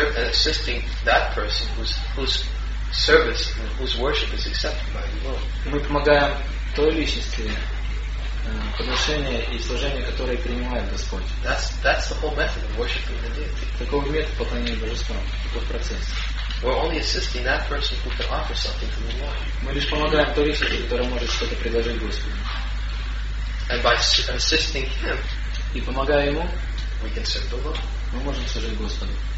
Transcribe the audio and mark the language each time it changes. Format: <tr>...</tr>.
<en>Assisting that person whose service and whose worship is accepted by the Lord.</en> <ru>Мы помогаем той личности подношение и служение, которое принимает Господь.</ru> <en>That's the whole method of worship of the deity.</en> <ru>Такой метод поклонения Божества, такой процесс.</ru> <en>We're only assisting that person who can offer something to the Lord.</en> <ru>Мы лишь помогаем той личности, которая может что-то предложить Господу.</ru> <en>And by assisting him,</en> <ru>и помогая ему,</ru> <en>we can serve the Lord.</en> <ru>Мы можем служить Господу.</ru>